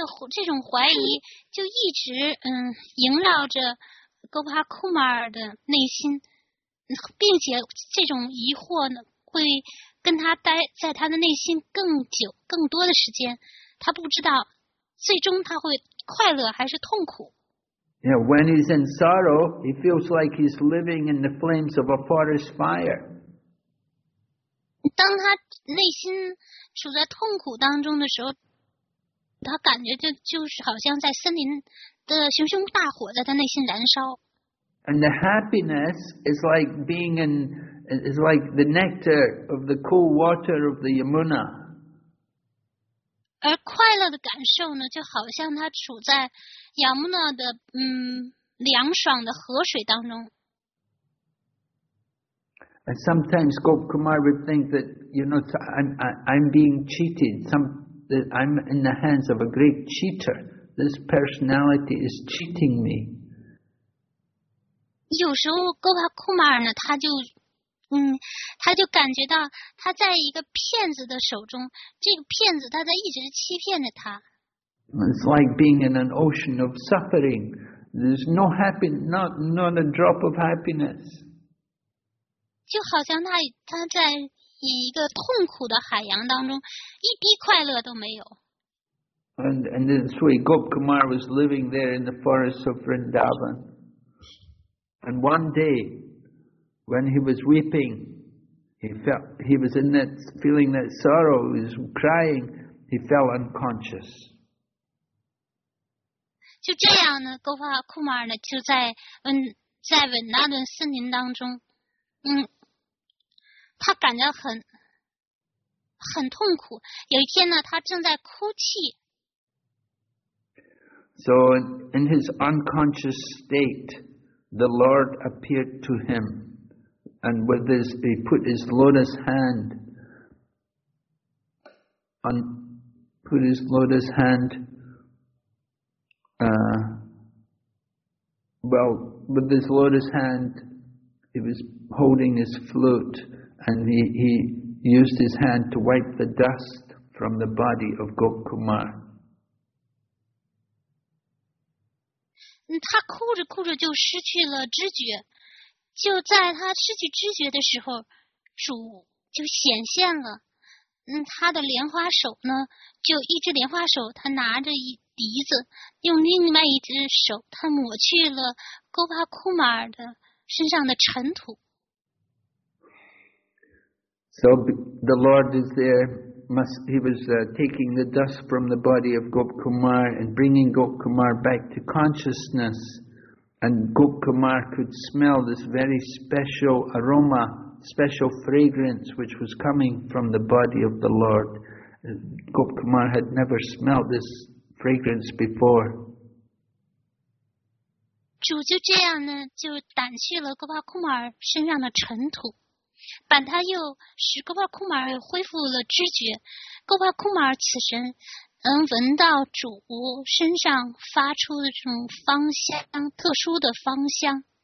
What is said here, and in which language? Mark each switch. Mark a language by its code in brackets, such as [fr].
[zh] 这种怀疑就一直萦绕着 Gopal Kumar 的内心，并且这种疑惑呢会跟他待在他的内心更久更多的时间，他不知道。最终他会快乐还是痛苦 [en] Yeah, when he's in sorrow, he feels like he's living in the flames of a forest fire. [zh] 当他内心处在痛苦当中的时候，他感觉就是好像在森林的熊熊大火在他内心燃烧。 [en] And the happiness is like being in, is like the nectar of the cool water of the Yamuna. [zh] 而快乐的感受呢，就好像他处在亚穆纳的凉爽的河水当中。 [en] And sometimes Gop Kumar would think that, you know, I'm being cheated. I'm in the hands of a great cheater. This personality is cheating me. [zh] 有时候勾巴库马尔呢，他就感觉到他在一个骗子的手中，这个骗子他在一直欺骗着他。 [en] It's like being in an ocean of suffering. There's no happiness, not a drop of happiness. [zh] 就好像他在以一个痛苦的海洋当中，一滴快乐都没有。 [en] And then Sri Gop Kumar was living there in the forests of Vrindavan. And one day, when he was weeping, he was in that feeling that sorrow, he was crying, he fell unconscious. [zh] 就这样呢，勾巴库马尔呢就在文纳顿森林当中，他感到很痛苦。有一天呢，他正在哭泣。 [en] So in his unconscious state. The Lord appeared to him, and he put his lotus hand on, put his lotus hand, well, with his lotus hand, he was holding his flute, and he used his hand to wipe the dust from the body of Gop Kumar. [zh] 他哭着哭着就失去了知觉，就在他失去知觉的时候，主就显现了。他的莲花手呢，就一只莲花手，他拿着一笛子，用另外一只手，他抹去了勾巴库马尔的身上的尘土。 [en] So the Lord is there. He was taking the dust from the body of Gop Kumar and bringing Gop Kumar back to consciousness. And Gop Kumar could smell this very special aroma, special fragrance which was coming from the body of the Lord. Gop Kumar had never smelled this fragrance before. [zh] 主就这样呢，就掸去了勾巴库马尔身上的尘土。把他又使勾巴库马尔恢复了知觉，勾巴库马尔此时能闻到主身上发出的这种芳香，特殊的芳香。